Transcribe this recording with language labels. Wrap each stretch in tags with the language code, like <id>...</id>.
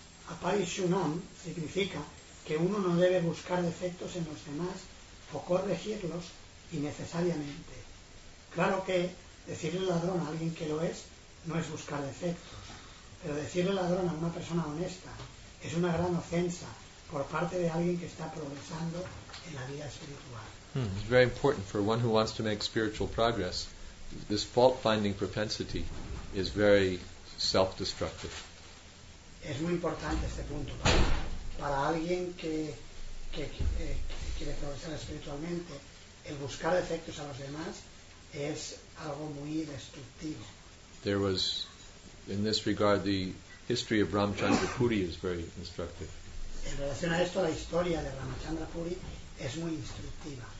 <es>Apaishunam significa que uno no debe buscar defectos en los demás o corregirlos innecesariamente. Claro que decirle ladrón a alguien que lo es no es buscar defectos, pero decirle ladrón a una persona honesta es una gran ofensa por parte de alguien que está progresando en la vida espiritual.</es> <en>It's very important for one who wants to make spiritual progress. This fault-finding propensity is very self-destructive.</en> <es>Es muy importante este punto para alguien que quiere progresar espiritualmente. El buscar defectos a los demás es algo muy destructivo.</es> <en>There was, in this regard, the history of Ramchandra Puri is very instructive.</en> <es>En relación a esto, la historia de Ramchandra Puri es muy instructiva.</es>